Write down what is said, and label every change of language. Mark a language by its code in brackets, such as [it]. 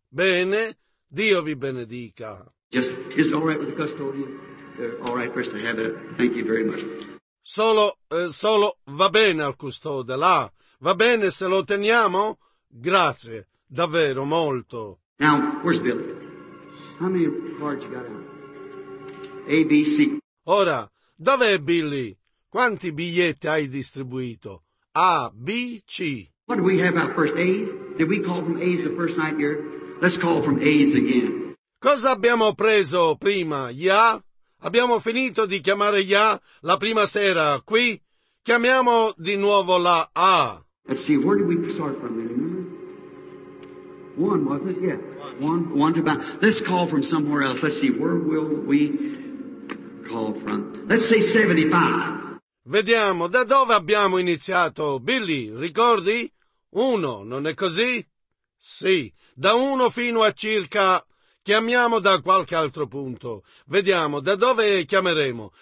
[it] Bene, Dio vi benedica. [en] Just, is it all right with the custodian? All right, first I have it. Thank you very much. [it] Solo va bene al custode, là. Va bene se lo teniamo? Grazie, davvero molto. [en] Now, where's Billy? How many cards you got out? A, B, C. [it] Ora, dov'è Billy? Quanti biglietti hai distribuito? A, B, C. [en] What do we have about first A's? Did we call from A's the first night here? Let's call from A's again. [it] Cosa abbiamo preso prima? Gli A? Abbiamo finito di chiamare gli A la prima sera qui? Chiamiamo di nuovo la A. [en] Let's see, where did we start from? One, wasn't it? Yeah. One to about. Let's call from somewhere else. Let's see, where will we call from? Let's say 75. [it] Vediamo, da dove abbiamo iniziato? Billy, ricordi? Uno, non è così? Sì, da uno fino a circa. Chiamiamo da qualche altro punto. Vediamo, da dove chiameremo?